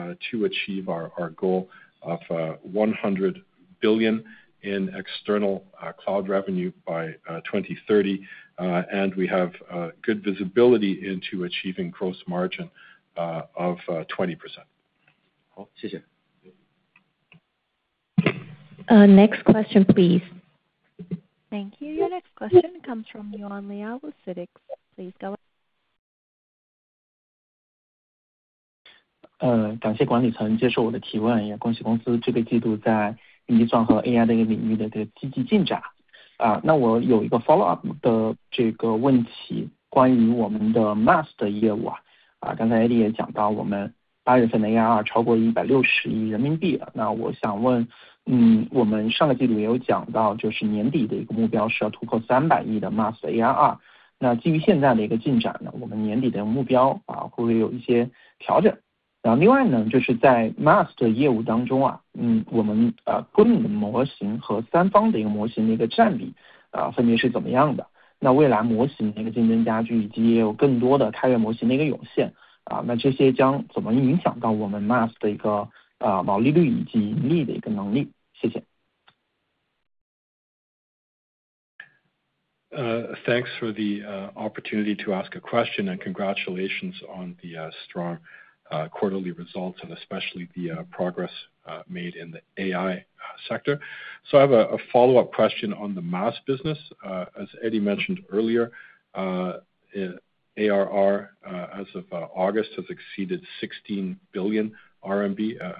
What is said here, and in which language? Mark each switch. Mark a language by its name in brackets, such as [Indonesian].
[English] to achieve our goal of $100 billion in external cloud revenue by 2030, and we have good visibility into achieving gross margin of 20%. Next question, please. Thank you. Your next question comes from Yuan Liao with CITIC. Please go ahead. [Chinese] 感谢管理层接受我的提问，也恭喜公司这个季度在云计算和 AI 的一个领域的这个积极进展。那我有一个 [English] follow up [Chinese] 的这个问题，关于我们的 MaaS 的业务啊。刚才 AD 也讲到，我们八月份的 ARR 超过160亿人民币。那我想问，我们上个季度也有讲到，就是年底的一个目标是要突破300亿的 MaaS 的 ARR。那基于现在的一个进展呢，我们年底的目标啊，会不会有一些调整？然后另外呢，就是在 MaaS 的业务当中啊，我们Gloom 的模型和三方的一个模型的一个占比分别是怎么样的？那未来模型的一个竞争加剧，以及也有更多的开源模型的一个涌现那这些将怎么影响到我们 MaaS 的一个毛利率以及盈利的一个能力？谢谢。 [English] Thanks for the opportunity to ask a question and congratulations on the strong quarterly results and especially the progress made in the AI sector. So I have a follow-up question on the MaaS business. As Eddie mentioned earlier, ARR as of August has exceeded 16 billion RMB.